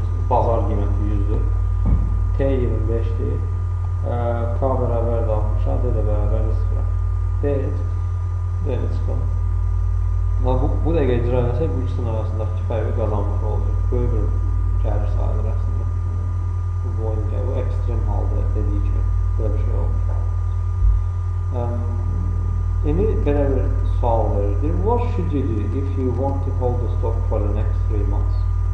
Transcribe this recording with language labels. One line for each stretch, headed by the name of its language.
Azerbaijani: Bazar qiyməti 100-dür. T 25-dir. K bərabər də 60-a, D də bərabər 0-a. D-ə çıxan. Və bu dəqiqə icra edəsək, bu ikisinin arasındakı fərqi qazanmış olacaq. Böyük bir gəlir sayılır əslində. Bu boyun gəlir. Bu ekstrem halda dediyi kimi belə bir şey olmuş. İndi belə bir sual verirdi.
English: What should you do if you want to hold the stock for the next 3 months?